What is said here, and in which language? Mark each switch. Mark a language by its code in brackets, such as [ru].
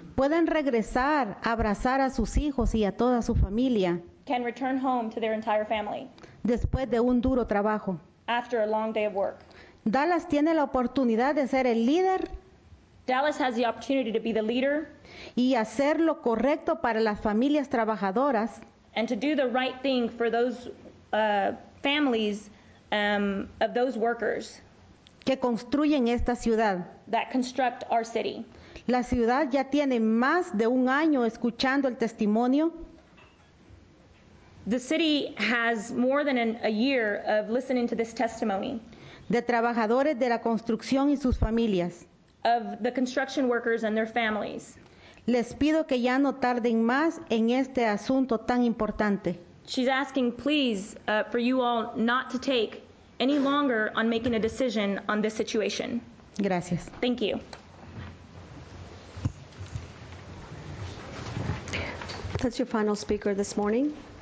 [es] Puedan regresar a abrazar a sus hijos y a toda su familia. [en] Can return home to their entire family. [es] Después de un duro trabajo. [en] After a long day of work. [es] Dallas tiene la oportunidad de ser el líder. [en] Dallas has the opportunity to be the leader. [es] Y hacer lo correcto para las familias trabajadoras. [en] And to do the right thing for those families of those workers. [es] Que construyen esta ciudad. [en] That construct our city. [es] La ciudad ya tiene más de un año escuchando el testimonio. [en] The city has more than a year of listening to this testimony. [es] De trabajadores de la construcción y sus familias. [en] Of the construction workers and their families. [es] Les pido que ya no tarden más en este asunto tan importante. [en] She's asking, please, for you all not to take any longer on making a decision on this situation. [es] Gracias. [en] Thank you. That's your final speaker this morning.